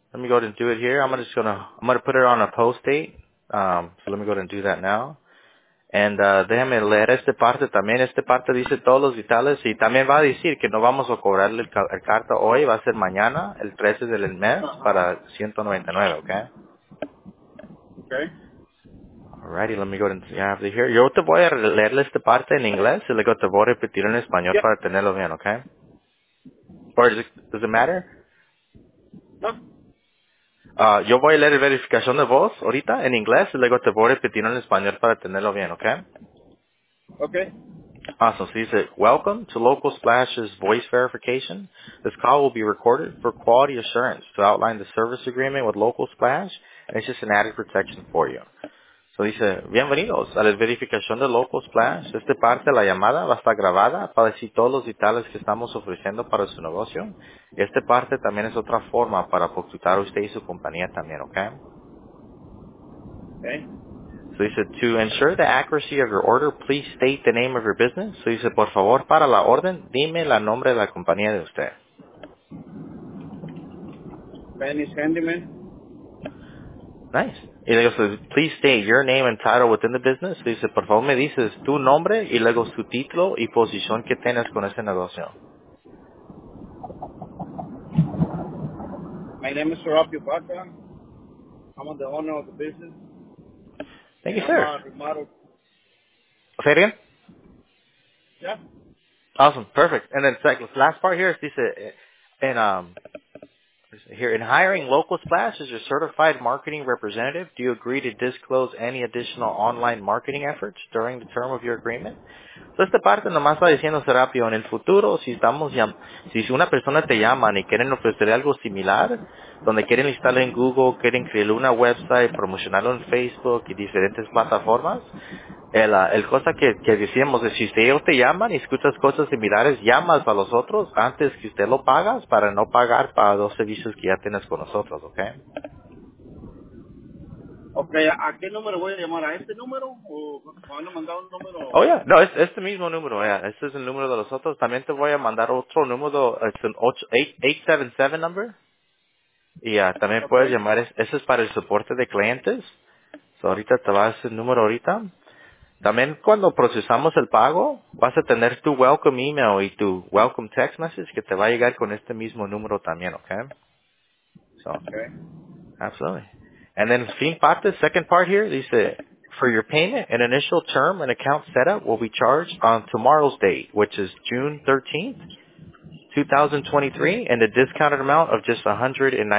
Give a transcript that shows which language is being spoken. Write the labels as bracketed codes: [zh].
[en] Let me go ahead and do it here. I'm gonna put it on a post date. So let me go ahead and do that now. [es] And déjame leer esta parte también. Esta parte dice todos los vitales y también va a decir que no vamos a cobrarle el carta hoy. Va a ser mañana, el 13 del mes, para $199, ¿ok? Ok. [en] All righty, let me go ahead and see here. [es] Yo te voy a leerle esta parte en inglés y luego te voy a repetir en español para tenerlo bien, ¿ok? [en] Or does it matter? No. [es] Yo voy a leer verificación de voz ahorita en inglés y luego te voy a repetir en español para tenerlo bien, ¿ok? [en] Okay. Awesome. So he said, welcome to Local Splash's voice verification. This call will be recorded for quality assurance to outline the service agreement with Local Splash, and it's just an added protection for you. So he said, [es] bienvenidos a la verificación de Local Splash. Esta parte de la llamada va a estar grabada para decir todos los detalles que estamos ofreciendo para su negocio. Esta parte también es otra forma para consultar usted y su compañía también, okay? [en] Okay. So he said, to ensure the accuracy of your order, please state the name of your business. So he said, [es] por favor, para la orden, dime la nombre de la compañía de usted. [en] Spanish Handyman. Nice. [es] Y luego, [en] so, please state your name and title within the business. So he said, [es] por favor, me dices tu nombre y luego su título y posición que tienes con ese negocio. [en] My name is Serapio Baca. I'm the owner of the business. Thank you, sir. Remodeled. Say it again? Yeah. Awesome. Perfect. And then second, last part here is this, in hiring Local Splash as your certified marketing representative, do you agree to disclose any additional online marketing efforts during the term of your agreement? [es] So esta parte nomás está diciendo, Serapio, en el futuro, si una persona te llama y quieren ofrecer algo similar, donde quieren instalar en Google, quieren crear una website, promocionarlo en Facebook y diferentes plataformas, el cosa que decíamos es, si ellos te llaman y escuchas cosas similares, llamas a los otros antes que usted lo pagas para no pagar para dos servicios que ya tienes con nosotros, ¿ok? Okay, ¿a qué número voy a llamar? ¿A este número? ¿O me han mandado un número? Oh, yeah. No, es este mismo número. Yeah. Este es el número de los otros. También te voy a mandar otro número. Es un 877 number. Y también puedes llamar. Ese es para el soporte de clientes. So, ahorita te vas el número ahorita. También cuando procesamos el pago, vas a tener tu welcome email y tu welcome text message que te va a llegar con este mismo número también, ¿ok? [en] So, okay. Absolutely. And then [es] fin parte, [en] second part here, dice, for your payment, an initial term and account setup will be charged on tomorrow's date, which is June 13th, 2023, and a discounted amount of just $199.